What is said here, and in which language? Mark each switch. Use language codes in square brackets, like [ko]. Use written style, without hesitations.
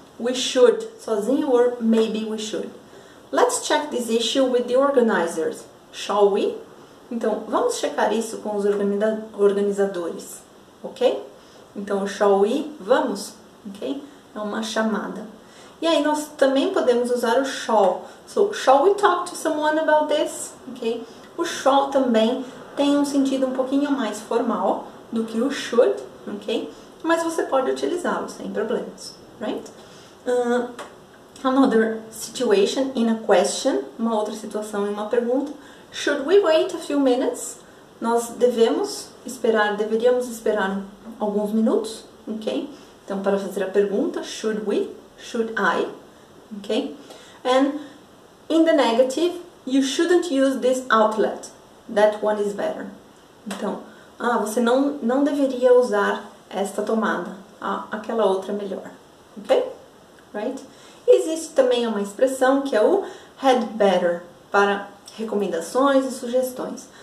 [en] We should, sozinho, or maybe we should. Let's check this issue with the organizers. Shall we? [pt] Então, vamos checar isso com os organizadores, ok? Então, shall we? Vamos, ok? É uma chamada. E aí, nós também podemos usar o shall. [en] So, shall we talk to someone about this? [pt] Ok? O shall também tem um sentido um pouquinho mais formal do que o should, ok? Mas você pode utilizá-lo sem problemas, right? [en] Another situation in a question, [pt] uma outra situação em uma pergunta. [en] Should we wait a few minutes? [pt] Nós deveríamos esperar alguns minutos, [en] ok? [pt] Então, para fazer a pergunta, should we, should I, ok? [en] And in the negative, you shouldn't use this outlet, that one is better. [pt] Então, você não deveria usar esta tomada, aquela outra é melhor, ok? Right? Existe também uma expressão que é o had better, para recomendações e sugestões.